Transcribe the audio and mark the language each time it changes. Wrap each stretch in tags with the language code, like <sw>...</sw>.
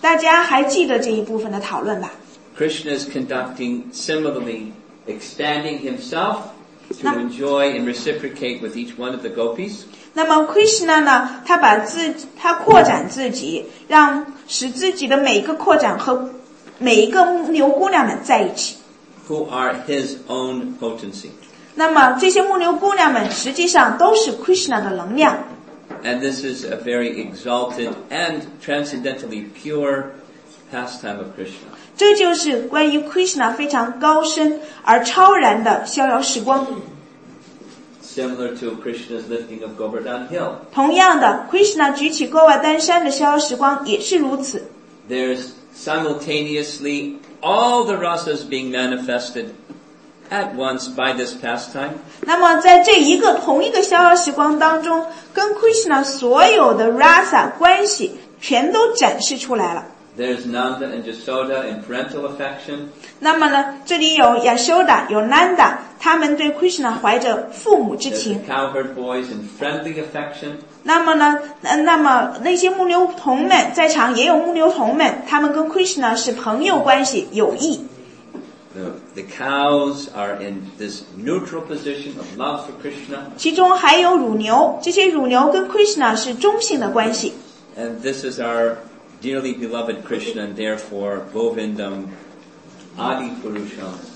<zh>大家还记得这一部分的讨论吧</zh> <en>？Krishna is conducting similarly, expanding himself to enjoy and reciprocate with each one of the gopis.</en> <zh>那么 Krishna 呢？他扩展自己，让使自己的每一个扩展和每一个牛姑娘们在一起。</zh> <en>Who are his own potency?</en> <zh>那么这些牧牛姑娘们实际上都是 Krishna 的能量。</zh> <en>And this is a very exalted and transcendentally pure pastime of Krishna.</en> <zh>这就是关于 Krishna 非常高深而超然的逍遥时光。</zh> <en>Similar to Krishna's lifting of Govardhan Hill.</en> <zh>同样的 ，Krishna 举起戈瓦丹山的逍遥时光也是如此。</zh> <en>There's simultaneously all the rasas being manifested at once by this pastime.</en> <zh>那么在这一个同一个逍遥时光当中。跟 Krishna 所有的 rasa 关系全都展示出来了。</zh> <en>There's Nanda and Yashoda in parental affection.</en> <zh>那么呢，这里有 Yashoda， 有 Nanda， 他们对 Krishna 怀着父母之情。</zh> <en>There's cowherd boys in friendly affection.</en> <zh>那么呢，那么那些牧牛童们在场也有牧牛童们，他们跟 Krishna 是朋友关系，友谊。</zh> <en>The cows are in this neutral position of love for Krishna.</en> <zh>其中还有乳牛，这些乳牛跟 Krishna 是中性的关系。</zh> <en>And this is our dearly beloved Krishna, and therefore Govindam Adi Purusham.</en>